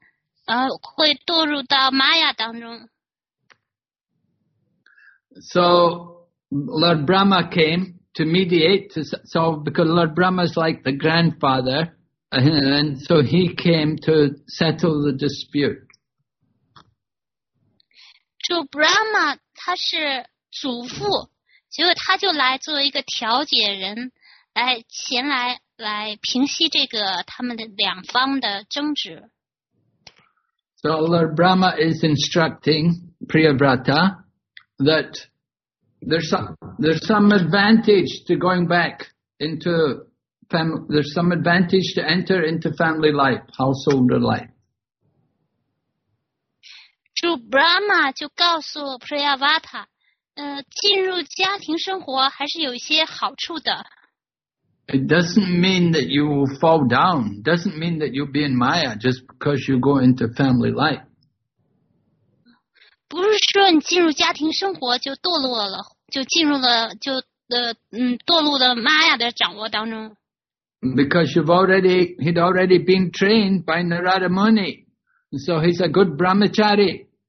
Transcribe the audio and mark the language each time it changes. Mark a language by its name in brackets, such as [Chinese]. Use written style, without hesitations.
[Chinese] 他又该重新回到物质生活里结婚生子，会堕入到玛雅当中。 [English] So Lord Brahma came to mediate to solve because Lord Brahma is like the grandfather, and so he came to settle the dispute. [Chinese] 就 Brahma 他是祖父，结果他就来做一个调解人，来前来。 [English] So Lord Brahma is instructing Priyavrata that there's some advantage to enter into family life, householder life. [Chinese] 主 Brahma 就告诉 Priyavrata, 进入家庭生活还是有一些好处的。 [English] It doesn't mean that you will fall down. It doesn't mean that you'll be in Maya just because you go into family life. [Chinese] 不是说你进入家庭生活就堕落了，就堕入了玛雅的掌握当中。 [English] Because he'd already been trained by Narada Muni, so he's a good brahmachari.